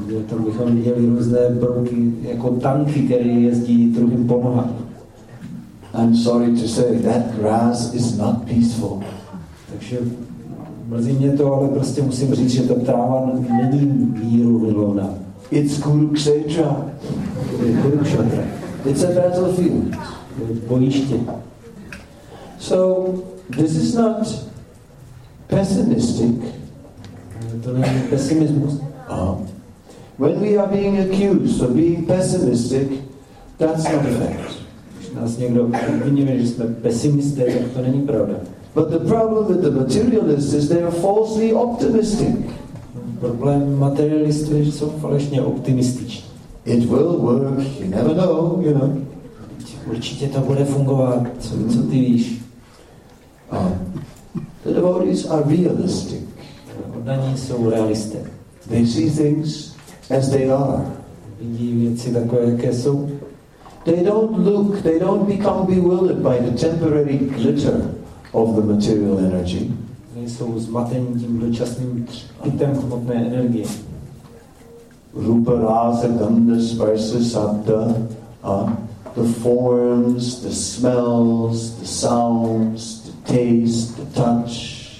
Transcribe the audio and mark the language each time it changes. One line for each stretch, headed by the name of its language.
Czech: Tam bychom viděli různé brouky jako tanky, které jezdí druhým po nohách.
English: I'm sorry to say, that grass is not peaceful.
Czech: Takže mrzí mě to, ale prostě musím říct, že ta tráva není míru vylovná.
English: It's Kurukshetra.
Czech: Kurukshetra.
English: It's a battlefield.
Czech: Bojiště.
English: So, this is not pessimistic.
Czech: To není pesimismus.
English: When we are being accused of being pessimistic, that's not a fact.
Czech: Když nás někdo obviní, že jsme pesimisté, tak to není pravda.
English: But the problem with the materialist is they are falsely optimistic.
Czech: Problém materialistů je, že jsou falešně optimističní.
English: It will work, you never know, you know.
Czech: Určitě to bude fungovat, co ty víš.
English: The devotees are realistic.
Czech: Oddaní jsou realisté.
English: They see things as they are.
Czech: Vidí věci takové, jaké jsou.
English: They don't look, they don't become bewildered by the temporary glitter of the material energy.
Czech: Nejsou zmatení tím dočasným třpitem hmotné energie.
Sanskrit: Rupa, rasa, gandha, sparsha, sabda,
English: the forms, the smells, the sounds, the taste, the touch.